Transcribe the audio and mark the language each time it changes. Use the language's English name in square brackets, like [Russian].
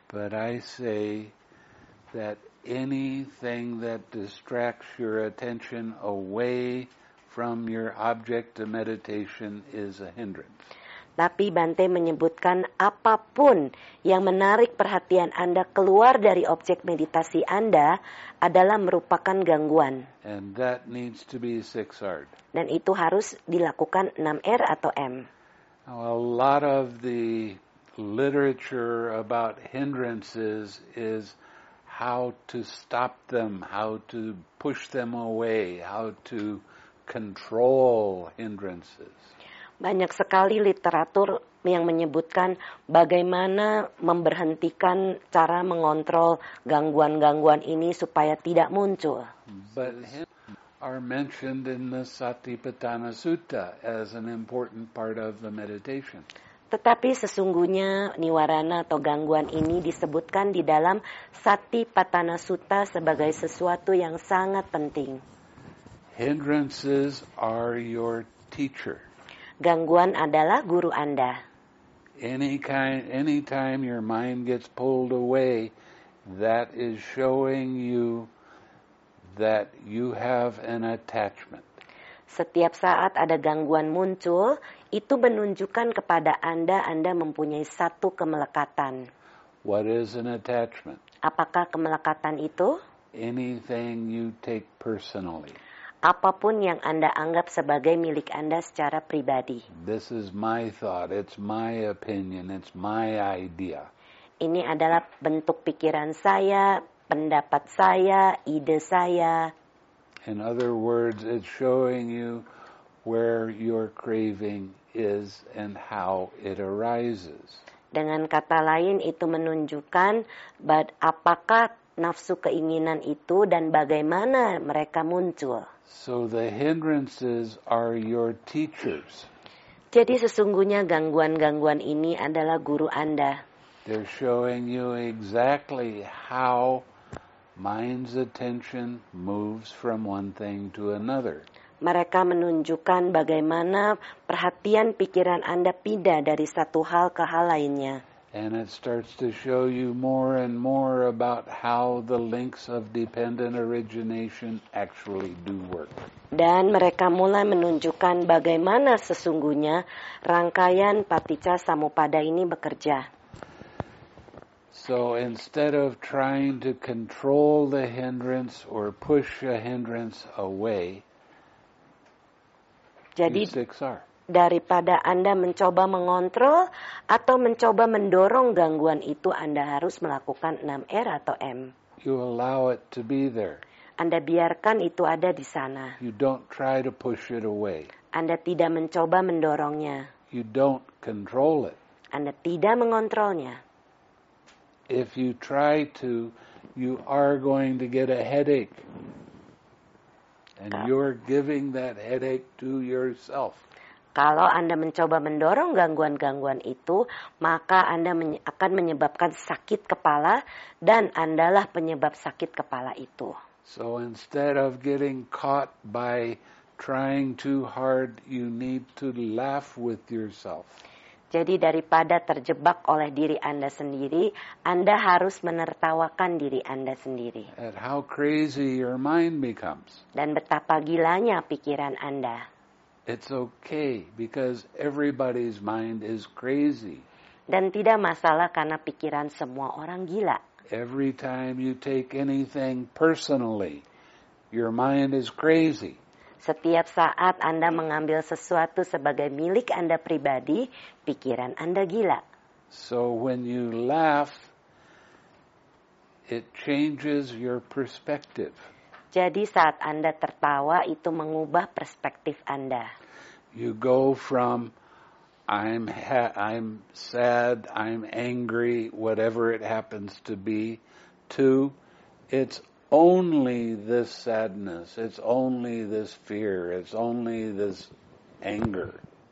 [English] But I say that anything that distracts your attention away from your object of meditation is a hindrance. [Indonesian] Tapi Bante menyebutkan apapun yang menarik perhatian Anda keluar dari objek meditasi Anda adalah merupakan gangguan. [English] And that needs to be six-R'd. [Indonesian] Dan itu harus dilakukan 6R atau M. [English] Now, a lot of the literature about hindrances is how to stop them, how to push them away, how to control hindrances. [Indonesian] Banyak sekali literatur yang menyebutkan bagaimana memberhentikan cara mengontrol gangguan-gangguan ini supaya tidak muncul. [English] But are mentioned in the Satipatthana Sutta as an important part of the meditation. [Indonesian] Tetapi sesungguhnya niwarana atau gangguan ini disebutkan di dalam Satipatthana Sutta sebagai sesuatu yang sangat penting. [English] Hindrances are your teacher. [Indonesian] Gangguan adalah guru Anda. [English] Any time your mind gets pulled away, that is showing you that you have an attachment. [Indonesian] Setiap saat ada gangguan muncul, itu menunjukkan kepada Anda, Anda mempunyai satu kemelekatan. [English] What is an attachment? [Indonesian] Apakah kemelekatan itu? [English] Anything you take personally. [Indonesian] Apapun yang Anda anggap sebagai milik Anda secara pribadi. [English] This is my thought, it's my opinion, it's my idea. [Indonesian] Ini adalah bentuk pikiran saya, pendapat saya, ide saya. [English] In other words, it's showing you where your craving is and how it arises. [Indonesian] Dengan kata lain, itu menunjukkan apakah nafsu keinginan itu dan bagaimana mereka muncul. [English] So the hindrances are your teachers. [Indonesian] Jadi sesungguhnya gangguan-gangguan ini adalah guru Anda. [English] They're showing you exactly how mind's attention moves from one thing to another. [Indonesian] Mereka menunjukkan bagaimana perhatian pikiran Anda pindah dari satu hal ke hal lainnya. [English] And it starts to show you more and more about how the links of dependent origination actually do work. [Indonesian] Dan mereka mulai menunjukkan bagaimana sesungguhnya rangkaian paticca samuppada ini bekerja. [English] So instead of trying to control the hindrance or push a hindrance away, [Indonesian] jadi, [English] you six R. [Indonesian] Daripada Anda mencoba mengontrol atau mencoba mendorong gangguan itu, Anda harus melakukan 6R atau M. [English] You allow it to be there. [Indonesian] Anda biarkan itu ada di sana. [English] You don't try to push it away. [Indonesian] Anda tidak mencoba mendorongnya. [English] You don't control it. [Indonesian] Anda tidak mengontrolnya. [English] If you try to, you are going to get a headache. And you're giving that headache to yourself. [Indonesian] Kalau Anda mencoba mendorong gangguan-gangguan itu, maka Anda akan menyebabkan sakit kepala dan andalah penyebab sakit kepala itu. [English] So instead of getting caught by trying too hard, you need to laugh with yourself. [Indonesian] Jadi daripada terjebak oleh diri Anda sendiri, Anda harus menertawakan diri Anda sendiri. [English] At how crazy your mind becomes. [Indonesian] Dan betapa gilanya pikiran Anda. [English] It's okay because everybody's mind is crazy. [Indonesian] Dan tidak masalah karena pikiran semua orang gila. [English] Every time you take anything personally, your mind is crazy. [Indonesian] Setiap saat Anda mengambil sesuatu sebagai milik Anda pribadi, pikiran Anda gila. [English] So when you laugh, it changes your perspective. [Indonesian] Jadi saat Anda tertawa itu mengubah perspektif Anda. [English] You go from I'm sad, I'm angry, whatever it happens to be, to it's only this sadness, it's only this fear, it's only this anger.